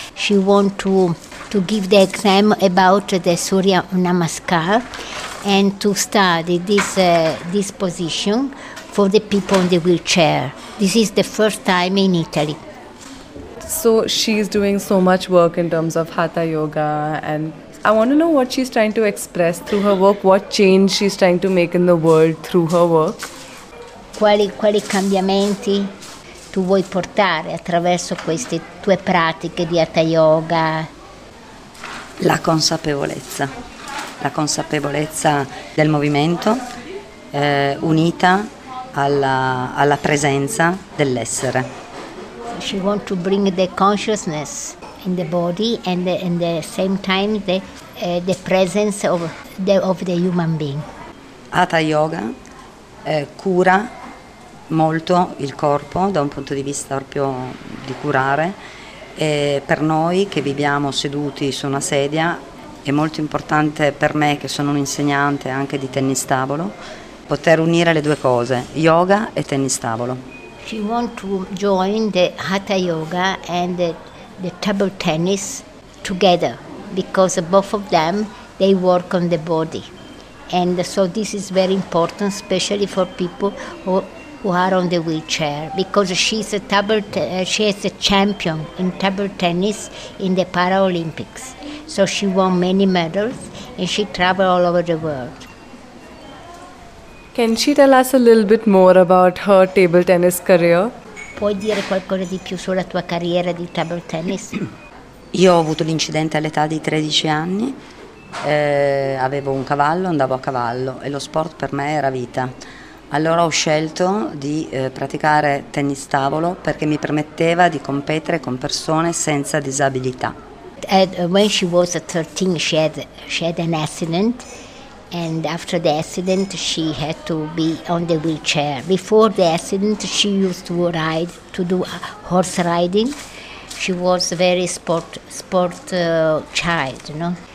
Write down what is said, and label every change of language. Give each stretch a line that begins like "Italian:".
English: She want to give the exam about the Surya Namaskar and to study this position for the people in the wheelchair. This is the first time in Italy. So she's doing so much work in terms of Hatha Yoga, and I want to know what she's trying to express through her work, what change she's trying to make in the world through her work.
Italian: Quali cambiamenti tu vuoi portare attraverso queste tue pratiche di Hatha Yoga? La consapevolezza. La consapevolezza del movimento unita alla presenza dell'essere.
English: She wants to bring the consciousness in the body and in the same time the presence of the human being.
Italian: Hatha Yoga cura molto il corpo da un punto di vista proprio di curare. E per noi che viviamo seduti su una sedia è molto importante, per me che sono un insegnante anche di tennis tavolo, poter unire le due cose, yoga e tennis tavolo.
English: She wants to join the Hatha Yoga and the table tennis together because both of them they work on the body, and so this is very important, especially for people who are on the wheelchair, because she's a table she is a champion in table tennis in the Paralympics. So she won many medals and she traveled all over the world. Can she tell us a little bit more about her table tennis career?
Italian: Puoi dire qualcosa di più sulla tua carriera di table tennis? Io ho avuto l'incidente all'età di 13 anni, avevo un cavallo, andavo a cavallo e lo sport per me era vita. Allora ho scelto di praticare tennis tavolo perché mi permetteva di competere con persone senza disabilità.
English: And when she was 13, she had an accident, and after the accident she had to be on the wheelchair. Before the accident she used to ride, to do horse riding. She was a very sport child, you know.